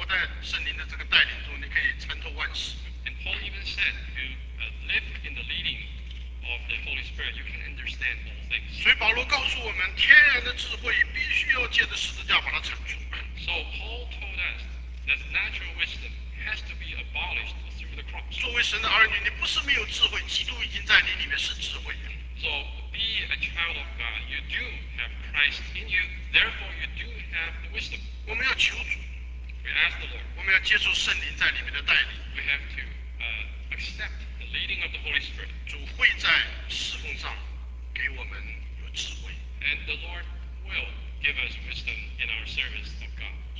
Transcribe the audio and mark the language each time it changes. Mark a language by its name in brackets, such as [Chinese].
[Chinese] 甚至保罗告诉我们说，如果你活在圣灵的这个带领中，你可以参透万事。 [English] And Paul even said, if you live in the leading of the Holy Spirit, you can understand all. [Chinese] 所以保罗告诉我们，天然的智慧必须要借着十字架把它铲除。 [English] So Paul told us that natural wisdom has to be abolished through the cross. [Chinese] 作为神的儿女，你不是没有智慧，基督已经在你里面是智慧。 [English] So be a child of God, you do have Christ in you, therefore you do have the wisdom. [Chinese] 我们要求主。 [English] We ask the Lord. [Chinese] 我们要接受圣灵在里面的带领。 [English] We have to accept the leading of the Holy Spirit. [Chinese] 主会在侍奉上。 [English] And the Lord will give us wisdom in our service of God.